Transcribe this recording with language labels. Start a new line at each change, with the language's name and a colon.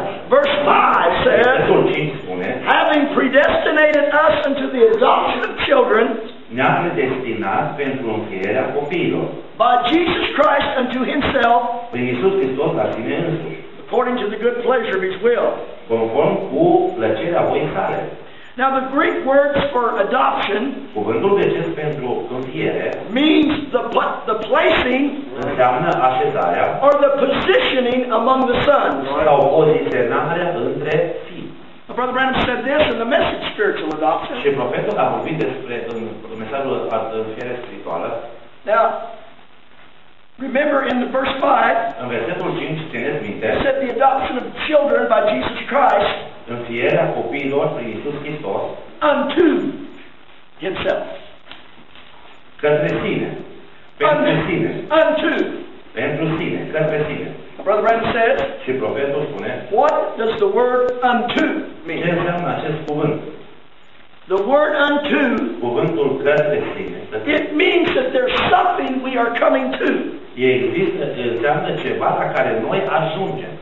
English: Verse 5 says, having predestinated us unto the adoption of children,
Romanian: ne-a predestinat pentru înfierea copiilor.
English: By Jesus Christ unto himself,
Romanian: prin Iisus Hristos la sine însuși,
English: according to the good pleasure of his will.
Romanian: Conform cu plăcerea voii sale.
English: Now the Greek words for adoption,
Romanian: cuvântul grecesc pentru înfiere,
English: means the placing,
Romanian: înseamnă așezarea,
English: or the positioning among the sons,
Romanian: sau poziționarea între fii.
English: Brother Branham said this in the message spiritual adoption.
Romanian: Și profetul a vorbit despre mesajul înfierea spirituală.
English: Now, remember in the verse 5,
Romanian: în versetul 5, țineți minte,
English: it said the adoption of children by Jesus Christ,
Romanian: înfierea copiilor prin Iisus Hristos,
English: unto himself.
Romanian: Către sine. Pentru sine.
English: Unto.
Romanian: Pentru sine. Către sine.
English: Brother Rand says,
Romanian: și profetul spune,
English: what does the word unto mean?
Romanian: Ce înseamnă acest cuvânt?
English: The word unto,
Romanian: cuvântul către sine,
English: it means that there's something we are coming to.
Romanian: Există, înseamnă ceva la care noi ajungem.